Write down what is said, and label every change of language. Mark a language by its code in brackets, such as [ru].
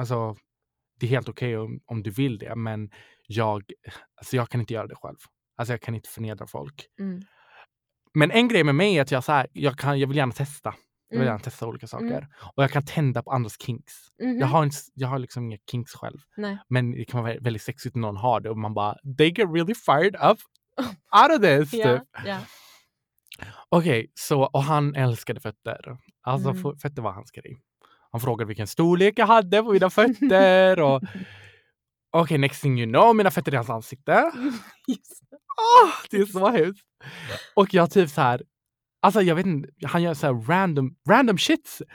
[sv] Alltså, det är helt okej om du vill det, men jag, alltså, jag kan inte göra det själv. Alltså jag kan inte förnedra folk. Mm. Men en grej med mig är att jag så här, jag vill gärna testa. Jag vill gärna testa olika saker. Mm. Och jag kan tända på andras kinks. Mm-hmm. Jag har liksom inga kinks själv. Nej. Men det kan vara väldigt sexigt när någon har det. Och man bara, [en] they get really fired up out of this. [sv] Ja, yeah, ja. Okej, okay, så, och han älskade fötter. Alltså, fötter var hans grej. Han frågade vilken storlek jag hade på mina fötter. Och okej, okay, [en] next thing you know, [sv] mina fötter i hans ansikte. Åh, det är så hemskt. Och jag typ så här, alltså jag vet inte, han gör så här [en] random shits.